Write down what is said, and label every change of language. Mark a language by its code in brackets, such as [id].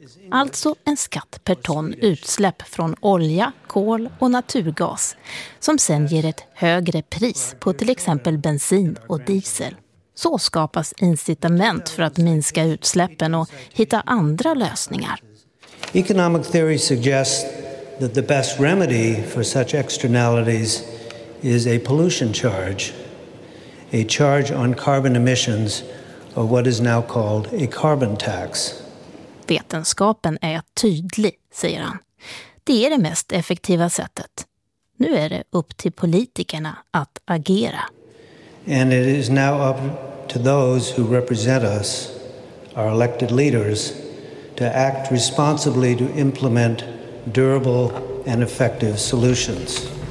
[sv] Alltså en skatt per ton utsläpp från olja, kol och naturgas som sen ger ett högre pris på till exempel bensin och diesel. Så skapas incitament för att minska utsläppen och hitta andra lösningar. [en] Economic theory suggests that the best remedy for such externalities is a pollution charge, a charge on carbon emissions, or what is now called a carbon tax. [sv] Vetenskapen är tydlig, säger han. Det är det mest effektiva sättet. Nu är det upp till politikerna att agera. [en] And it is now up to those who represent us, our elected leaders, to act responsibly to implement durable and effective solutions.